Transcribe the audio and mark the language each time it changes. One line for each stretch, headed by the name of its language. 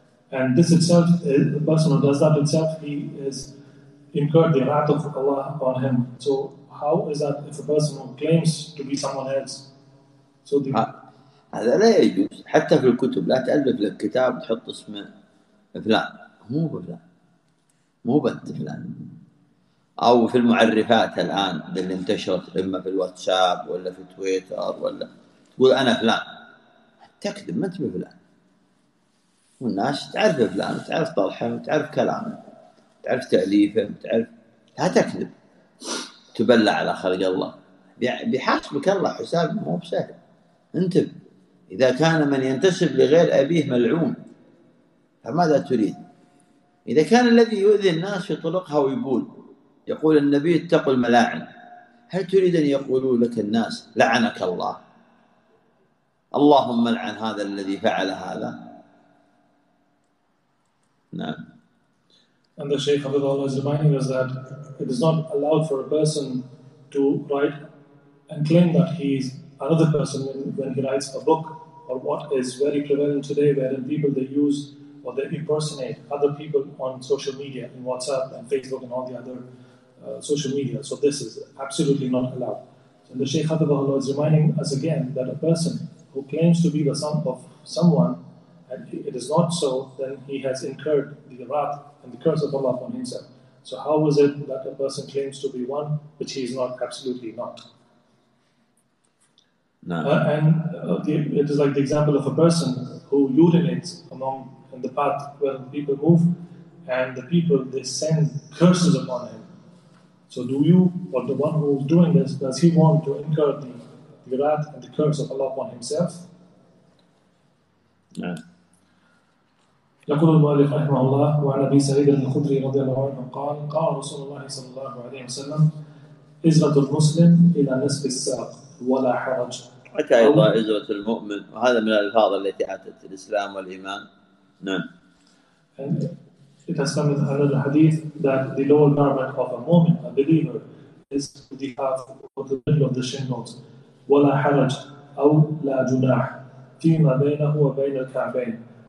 English: And this itself, a person who does that itself, he is incurred the wrath of Allah upon him. So how is that if a person who claims to be someone else? So the
Arabic: هذا لا يجوز حتى في الكتب، لا تألف لك كتاب تحط اسم فلان، مو بفلان، مو بنت فلان. أو في المعرفات الآن اللي انتشرت إما في الواتساب ولا في تويتر ولا تقول أنا فلان، تكذب، ما أنت بفلان. والناس تعرف فلان، تعرف طرحه، تعرف كلامه، تعرف تأليفه، تعرف، لا تكذب، تبلع على خلق الله، بيحاسبك الله حساب مو بسهل. انتبه، إذا كان من ينتسب لغير أبيه ملعون فماذا تريد؟ إذا كان الذي يؤذي الناس يطلقها ويقول يقول النبي اتقوا الملاعن، هل تريد أن يقولوا لك الناس لعنك الله، اللهم لعن هذا الذي فعل هذا؟ نعم.
English: And the Shaykh Abdullah is reminding us that it is not allowed for a person to write and claim that he is another person when he writes a book or what is very prevalent today, wherein people they use or they impersonate other people on social media, in WhatsApp and Facebook and all the other social media. So this is absolutely not allowed. And the Shaykh Abdullah is reminding us again that a person who claims to be the son of someone and it is not so, then he has incurred the wrath and the curse of Allah upon himself. So how is it that a person claims to be one which he is not, absolutely not? It is like the example of a person who urinates along in the path where people move, and the people, they send curses upon him. So do you, or the one who is doing this, does he want to incur the wrath and the curse of Allah upon himself?
Arabic: يقول المؤلف رحمه الله وعن أبي سعيد الخدري رضي الله عنه قال قال رسول الله صلى الله عليه وسلم إزرة المسلم إلى نصف الساق ولا حرج. أتى أيضا إزرة المؤمن وهذا من الألفاظ التي أتت الإسلام والإيمان. نعم.
English: It has come in another hadith that the lower garment of a mu'min, a believer, is the half of the middle of the shin bones.
Arabic: ولا حرج أو لا جناح فيما بينه وبين الكعبين.